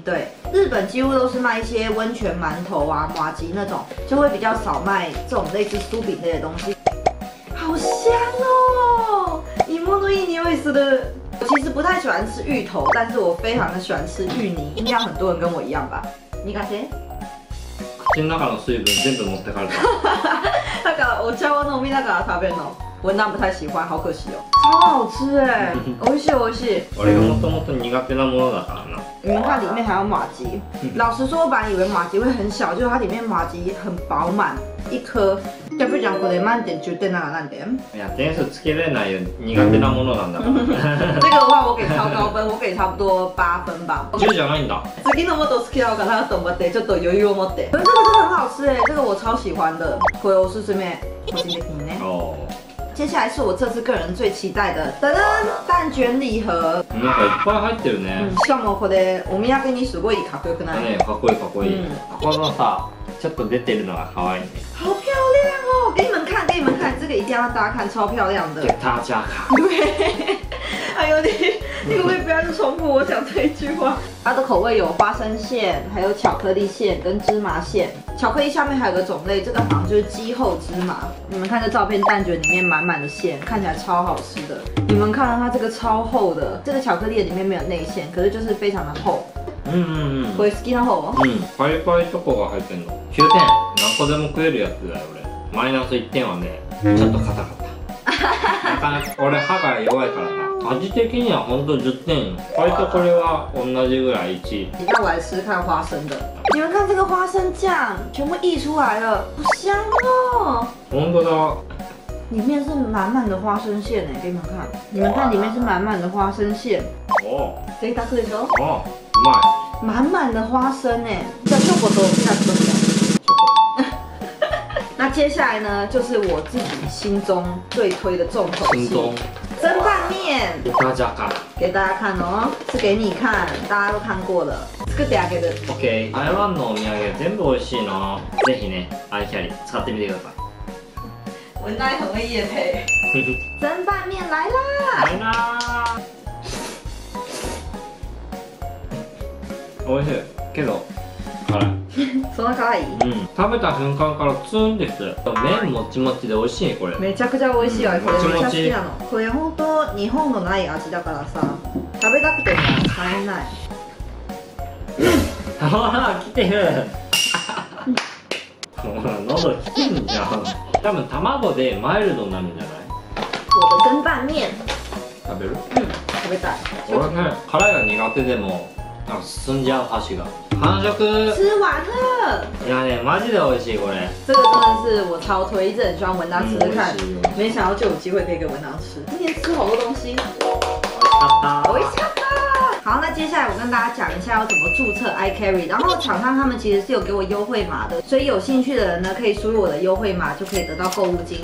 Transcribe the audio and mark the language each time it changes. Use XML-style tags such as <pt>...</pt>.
<zh>对，日本几乎都是卖一些温泉馒头啊、麻吉那种，就会比较少卖这种类似酥饼类的东西。好香哦！芋摩多伊尼味斯的，我其实不太喜欢吃芋头，但是我非常的喜欢吃芋泥，应该很多人跟我一样吧？你敢吃？</zh> <ja>口の中の水分全部持ってかれた。なんかお茶を飲みながら食べるの。</ja> <zh>文章不太喜欢，好可惜哦。超好吃哎，</zh> <ja>美味しい美味しい。あれがもともと苦手なものだからな。</ja> <zh>你们看里面还有马吉，老实说，我本来以为马吉会很小，就是它里面马吉很饱满，一颗。</zh> <ja>じゃあ、ふーちゃん、これ満点10点なら何点？いや、点数つけれないよ、苦手なものなんだから。</ja> <zh>这个的话，我给超高分，我给差不多八分吧。</zh> <ja>十じゃないんだ。次のもっと好きだろうかなと思って、ちょっと余裕を持って。これ</ja> <zh>真的很好吃哎，这个我超喜欢的。</zh> <ja>これおすすめ、個人的にね。哦。</ja> <zh>接下来是我这次个人最期待的，噔噔，蛋卷礼盒。</zh> <ja>なんかいっぱい入ってるね。しかもこれお土産にすごいかっこよくない？ね、かっこいいかっこいい。このさ、ちょっと出てるのが可愛いね。</ja> <zh>好漂亮哦！给你们看，给你们看，这个一定要大家看，超漂亮的。给大家看。对。还有你，你可不可以不要重复我讲这一句话？它的口味有花生馅，还有巧克力馅跟芝麻馅。巧克力下面还有个种类，这个好像就是鸡后芝麻。你们看这照片，蛋卷里面满满的馅，看起来超好吃的。你们看它这个超厚的，这个巧克力里面没有内馅，可是就是非常的厚。嗯。</zh> <ja>これ好きな方？嗯。パイパイチョコが入ってんの。九点。何個でも食えるやつだよ俺。マイナス一点はね、ちょっと硬かった。なかなか俺歯が弱いからな。味的には本当10点。これとこれは同じぐらい1。</ja> <zh>那我来吃看花生的。你们看这个花生酱，全部溢出来了，好香哦。</zh> <ja>本当だ。</ja> <zh>里面是满满的花生馅哎，给你们看。你们看里面是满满的花生馅。哦。</zh> <ja>贅沢でしょ？</ja> <zh>哦，</zh> <ja>うまい。</ja> <zh>满满的花生哎，</zh> <ja>じゃあチョコとピーナッツ。</ja> <zh>那接下来呢，就是我自己心中最推的重口心中蒸拌面。给大家看，给大家看哦，是给你看，大家都看过了。</zh> <ja>作ってあげる。 OK。台湾のお土産全部美味しいの。ぜひね、アイキャリー使ってみてください。</ja> <zh>文奈很会夜配。蒸拌面来啦！来啦！</zh> <ja>美味しい。けど辛い。そんな辛い？うん。食べた瞬間からツンです。麺もちもちで美味しいこれ。めちゃくちゃ美味しいわ。これめちゃ好きなの。これ本当日本のない味だからさ、食べたくても買えない。ほら来てる。ほら喉きてんじゃん。多分卵でマイルドになるんじゃない？</ja> <zh>我的蒸拌面。</zh> <ja>食べる？うん、食べたい。俺ね、辛いの苦手でも、なんか進んじゃう箸が。完食！</ja> <zh>吃完了！</zh> <ja>いやね、マジで美味しいこれ。</ja> <zh>这个真的是我超推荐，希望文章吃吃看。没想到就有机会可以给文章吃。今天吃好多东西。好吃啊！好，那接下来我跟大家讲一下要怎么注册 iCarry， 然后厂商他们其实是有给我优惠码的，所以有兴趣的人呢可以输入我的优惠码就可以得到购物金。</zh>